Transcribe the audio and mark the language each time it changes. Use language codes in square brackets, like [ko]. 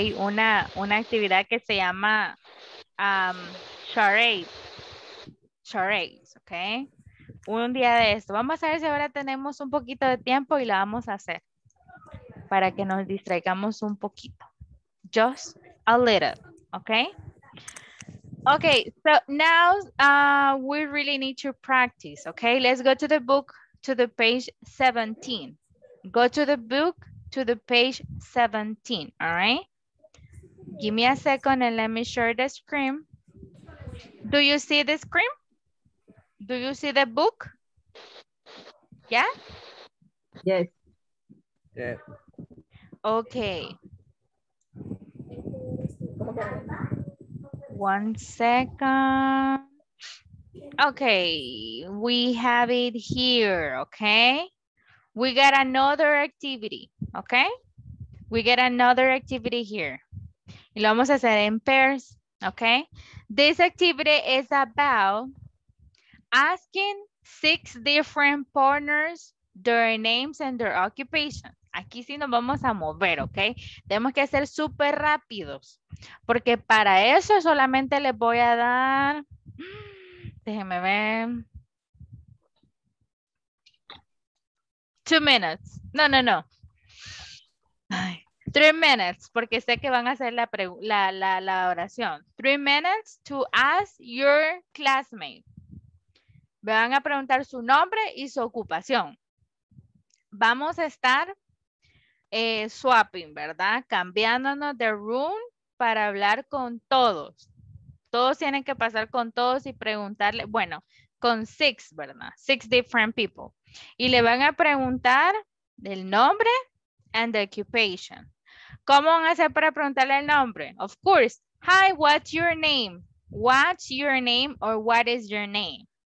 [es] Una actividad que se llama charades, ¿ok? Un día de esto. Vamos a ver si ahora tenemos un poquito de tiempo y lo vamos a hacer para que nos distraigamos un poquito. [en] Just a little, ¿ok? Okay, so now we really need to practice, okay? Let's go to the book, to the page 17. Go to the book, to the page 17, all right? Give me a second and let me share the screen. Do you see the screen? Do you see the book? Yeah? Yes. Yeah. Okay. One second. Okay, we have it here, okay? We got another activity, okay? We get another activity here. [es] Y lo vamos a hacer en pairs, okay? [en] This activity is about asking six different partners their names and their occupation. [es] Aquí sí nos vamos a mover, ¿ok? Tenemos que ser súper rápidos. Porque para eso solamente les voy a dar... Déjenme ver. [en] 2 minutes. No, no, no. Ay. 3 minutes, [es] porque sé que van a hacer la oración. [en] 3 minutes to ask your classmate. [es] Me van a preguntar su nombre y su ocupación. Vamos a estar... swapping, ¿verdad? Cambiándonos de room para hablar con todos. Todos tienen que pasar con todos y preguntarle, bueno, con six, ¿verdad? [en] Six different people. [es] Y le van a preguntar del nombre [en] and the occupation. [es] ¿Cómo van a hacer para preguntarle el nombre? [en] Of course. Hi, what's your name? What's your name or what is your name?